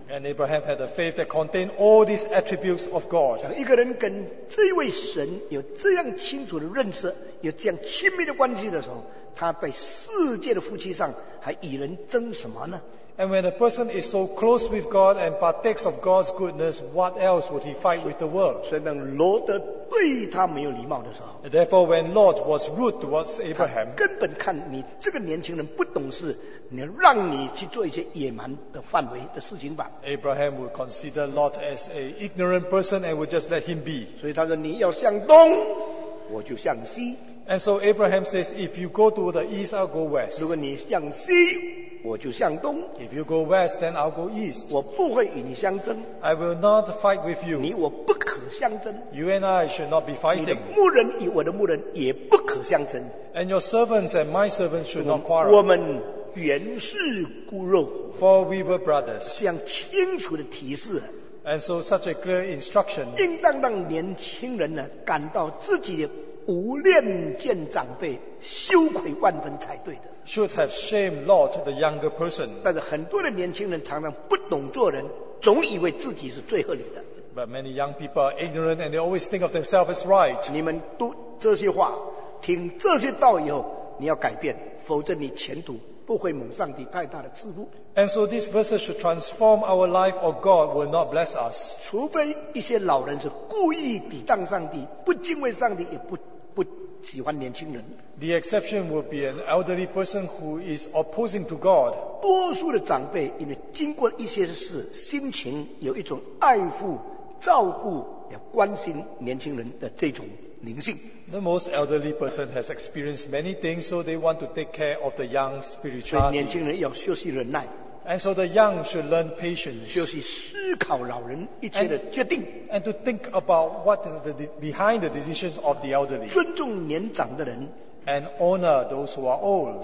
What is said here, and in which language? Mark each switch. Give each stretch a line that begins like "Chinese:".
English: And Abraham had a faith that contained all these attributes of God.
Chinese: 像一个人跟这位神有这样清楚的认识，有这样亲密的关系的时候，他在世界的夫妻上还与人争什么呢？
English: And when a person is so close with God and partakes of God's goodness, what else would he fight with the world?
Chinese: 所以当罗德对他没有礼貌的时候，
English: Therefore, when Lot was rude towards Abraham,
Chinese: 他根本看你这个年轻人不懂事，你让你去做一些野蛮的范围的事情吧。
English: Abraham would consider Lot as an ignorant person and would just let him be.
Chinese: 所以他说你要向东我就向西。
English: And so Abraham says, if you go to the east, I'll go west.
Chinese: 如果你向西我就向东。
English: If you go west, then I'll go east.
Chinese: 我不会与你相争。
English: I will not fight with you.
Chinese: 你我不可相争。
English: You and I should not be fighting.
Chinese: 你的牧人与我的牧人也不可相争。
English: And your servants and my servants should not quarrel.
Chinese: 我们原是骨肉。
English: For we were brothers.
Chinese: 这样清楚的提示。
English: And so such a clear instruction.
Chinese: 应当让年轻人呢感到自己的无恋见长辈羞愧万分才对的。
English: Should have shame lot the younger person.
Chinese: 但是很多的年轻人常常不懂做人，总以为自己是最合理的。
English: But many young people are ignorant and they always think of themselves as right.
Chinese: 你们读这些话，听这些道以后，你要改变，否则你前途不会蒙上帝太大的赐福。
English: And so these verses should transform our life, or God will not bless us.
Chinese: 除非一些老人是故意抵挡上帝，不敬畏上帝，也不喜欢年轻人。
English: The exception will be an elderly person who is opposing to God.
Chinese: 多数的长辈因为经过一些事，心情有一种爱护、照顾、也关心年轻人的这种。
English: The most elderly person has experienced many things, so they want to take care of the young spirituality.
Chinese: 所以年轻人要学习忍耐。
English: And so the young should learn patience.
Chinese: 学习思考老人一切的决定。
English: And to think about what is the behind the decisions of the elderly.
Chinese: 尊重年长的人。
English: And honor those who are old.